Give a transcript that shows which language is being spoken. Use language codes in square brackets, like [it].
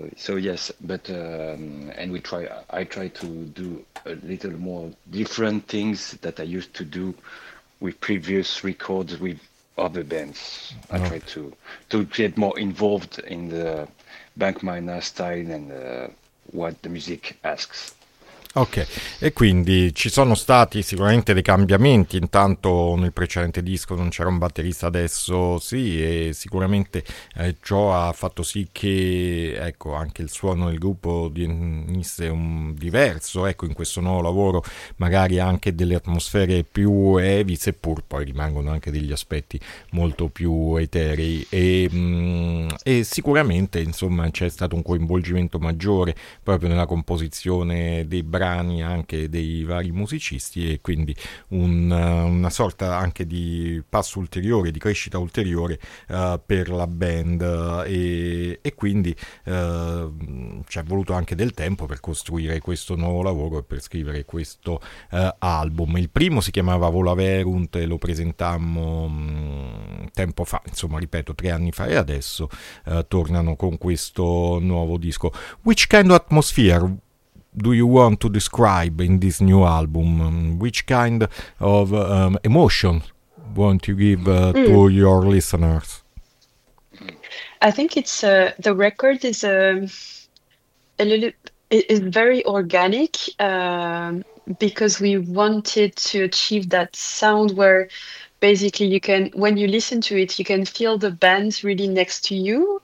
[en] I try to do a little more different things that I used to do with previous records with other bands. Oh. I try to get more involved in the Bank Miner style and what the music asks. [it] Ok, e quindi ci sono stati sicuramente dei cambiamenti. Intanto nel precedente disco non c'era un batterista, adesso sì, e sicuramente ciò ha fatto sì che, ecco, anche il suono del gruppo divenisse un diverso, ecco, in questo nuovo lavoro magari anche delle atmosfere più heavy, seppur poi rimangono anche degli aspetti molto più eterei, e sicuramente insomma c'è stato un coinvolgimento maggiore proprio nella composizione dei brani anche dei vari musicisti, e quindi una sorta anche di passo ulteriore, di crescita ulteriore per la band, e quindi ci è voluto anche del tempo per costruire questo nuovo lavoro e per scrivere questo album. Il primo si chiamava Volaverunt e lo presentammo tempo fa, insomma, ripeto, 3 anni fa, e adesso tornano con questo nuovo disco. [en] Which kind of atmosphere do you want to describe in this new album? Which kind of emotion want you give to your listeners? I think it's the record is a little, it's very organic, because we wanted to achieve that sound where basically you can, when you listen to it, you can feel the band really next to you.